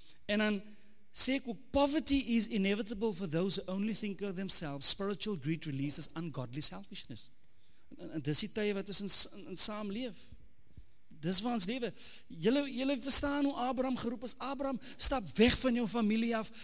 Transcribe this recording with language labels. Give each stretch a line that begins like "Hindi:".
Afrikaans: En dan sê ek ook,
English: poverty is inevitable for those who only think of themselves. Spiritual greed releases ungodly selfishness.
Afrikaans: En dis die tyd wat ons in saam leef. Dis waar ons lewe. Julle verstaan hoe Abraham geroep is. Abraham, stap weg van jou familie af.